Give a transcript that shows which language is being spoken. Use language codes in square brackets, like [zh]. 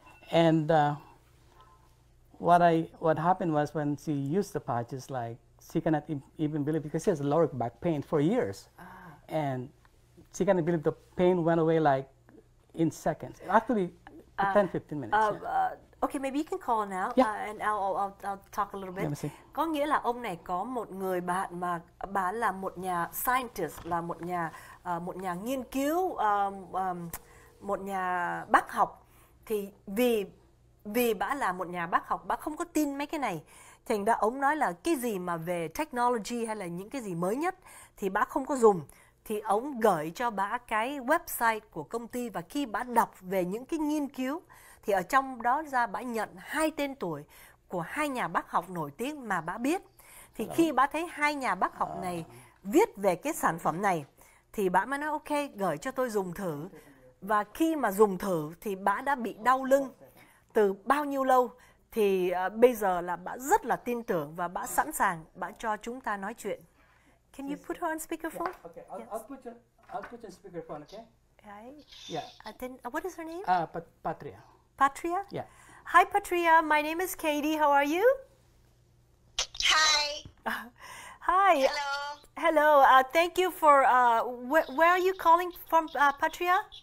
[en] And what happened was when she used the patches, like, she cannot even believe, because she has lower back pain for years, and she cannot believe the pain went away like in seconds, actually 10-15 minutes. Okay, maybe you can call now. Yeah. And I'll talk a little bit. Let me see. [vi] Có nghĩa là ông này có một người bạn mà bà là một nhà scientist, là một nhà nghiên cứu, một nhà bác học. Thì vì bà là một nhà bác học, bà không có tin mấy cái này. Thành ra ông nói là cái gì mà về technology hay là những cái gì mới nhất thì bà không có dùng. Thì ông gửi cho bà cái website của công ty, và khi bà đọc về những cái nghiên cứu thì ở trong đó ra bà nhận hai tên tuổi của hai nhà bác học nổi tiếng mà bà biết. Thì khi bà thấy hai nhà bác học này viết về cái sản phẩm này thì bà mới nói ok, gửi cho tôi dùng thử. Và khi mà dùng thử thì bà đã bị đau lưng từ bao nhiêu lâu, thì bây giờ là bà rất là tin tưởng và bà sẵn sàng bà cho chúng ta nói chuyện. [en] Can you put her on speakerphone? Yeah, okay, I'll put you on speakerphone, okay? Right. Yeah. Then, what is her name? Patria. Patria? Yeah. Hi, Patria. My name is Katie. How are you? Hi. Hi. Hello. Hello. Thank you for... where are you calling from, Patria?